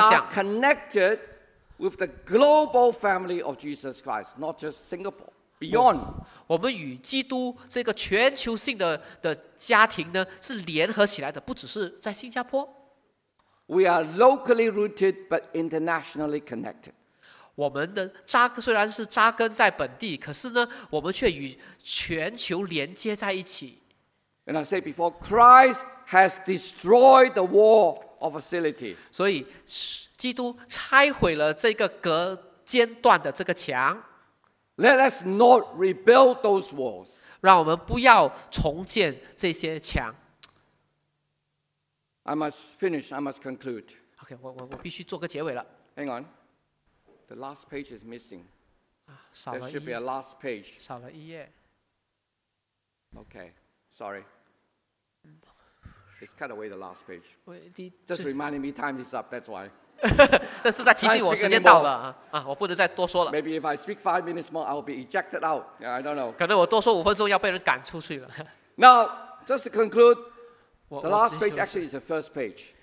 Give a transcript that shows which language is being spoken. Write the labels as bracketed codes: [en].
[en] We are connected with the global family of Jesus Christ, not just Singapore. Beyond, [zh] 我们与基督这个全球性 的家庭呢是联合起来的，不只是在新加坡。 [en] We are locally rooted but internationally connected. [zh] 我们的扎虽然是扎根在本地，可是呢，我们却与全球连接在一起。 [en] And I said before, Christ has destroyed the wall of hostility. [zh] 所以，基督拆毁了这个隔间断的这个墙。 [en] Let us not rebuild those walls. [zh] 让我们不要重建这些墙。 [en] I must finish. I must conclude. [zh] Okay, 我必须做个结尾了。 [en] Hang on, the last page is missing. [zh] 少了一页。 [en] There should be a last page. [zh] 少了一页。 [en] Okay, sorry. It's cut away the last page. [zh] 第 [en] just reminding me time is up. That's why. [zh] 这是在提醒我时间到了我不能再多说了。 [en] Maybe if I speak 5 minutes more, I will be ejected out. Yeah, I don't know. [zh] 可能我多说五分钟要被人赶出去了。 [en] Now, just to conclude. The last page actually is the first page.